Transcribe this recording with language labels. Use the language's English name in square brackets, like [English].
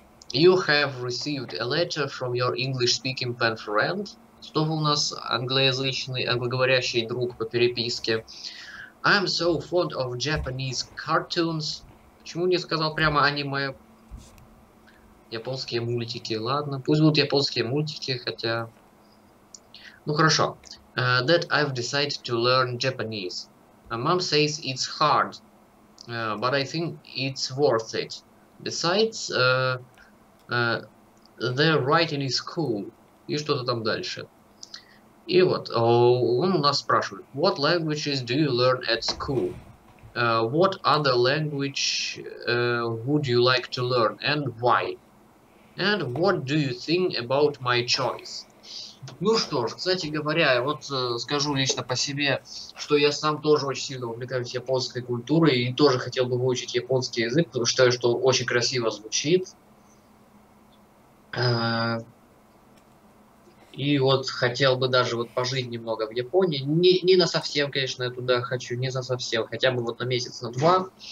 [English] You have received a letter from your English-speaking pen friend. [Russian] Снова у нас англоязычный, англоговорящий друг по переписке. [English] I'm so fond of Japanese cartoons. [Russian] Почему не сказал прямо аниме? Японские мультики. Ладно, пусть будут японские мультики, хотя... Ну хорошо. [English] That I've decided to learn Japanese. Mom says it's hard, but I think it's worth it. Besides, the writing is cool. [Russian] И что-то там дальше. И вот, он нас спрашивает, [English] what languages do you learn at school? What other language would you like to learn and why? And what do you think about my choice? [Russian] Ну что ж, кстати говоря, я вот скажу лично по себе, что я сам тоже очень сильно увлекаюсь японской культурой и тоже хотел бы выучить японский язык, потому что считаю, что очень красиво звучит. И вот хотел бы даже вот пожить немного в Японии. Не на совсем, конечно, я туда хочу, не на совсем, хотя бы вот на месяц, на два.